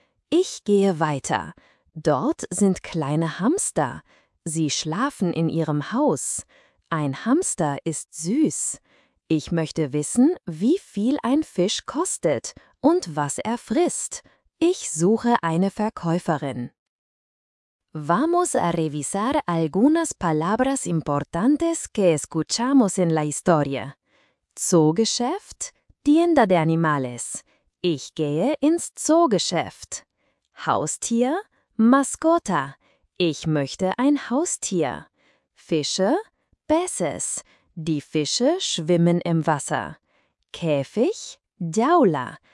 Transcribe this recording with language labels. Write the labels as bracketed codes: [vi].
[de] Ich gehe weiter. Dort sind kleine Hamster. Sie schlafen in ihrem Haus. Ein Hamster ist süß. Ich möchte wissen, wie viel ein Fisch kostet und was er frisst. Ich suche eine Verkäuferin. [es] Vamos a revisar algunas palabras importantes que escuchamos en la historia. Zoogeschäft, tienda de animales. [de] Ich gehe ins Zoogeschäft. Haustier, mascota. Ich möchte ein Haustier. Fische, peces. Die Fische schwimmen im Wasser. Käfig, jaula.